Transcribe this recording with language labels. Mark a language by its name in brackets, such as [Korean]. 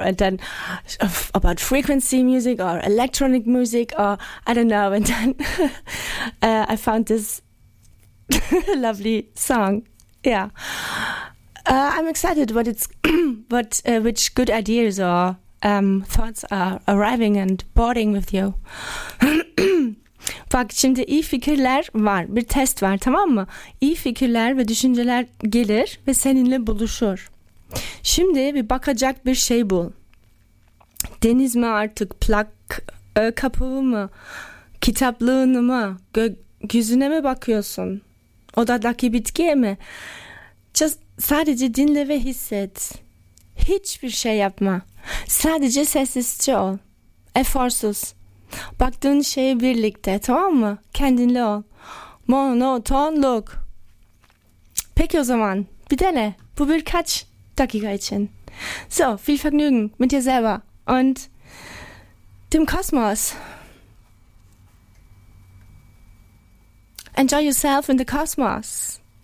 [English] And then about frequency music or electronic music or I don't know. And then I found this lovely song. Yeah. I'm excited what it's which good ideas or thoughts are arriving and boarding with you. [Turkish] Bak şimdi iyi fikirler var, bir test var, tamam mı? İyi fikirler ve düşünceler gelir ve seninle buluşur. Şimdi bir bakacak bir şey bul. Deniz mi artık, plak kapağı mı, kitaplığını mı, gökyüzüne mi bakıyorsun? Odadaki bitkiye mi? Sadece dinle ve hisset. Hiçbir şey yapma. Sadece sessizce ol. Eforsuz. Baktığın şeye birlikte, tamam mı? Kendinle ol. Monotonluk. Peki o zaman. Bir dene. Bu birkaç dakika için. [German] So, viel Vergnügen mit dir selber und dem Kosmos. [English] Enjoy yourself in the Kosmos.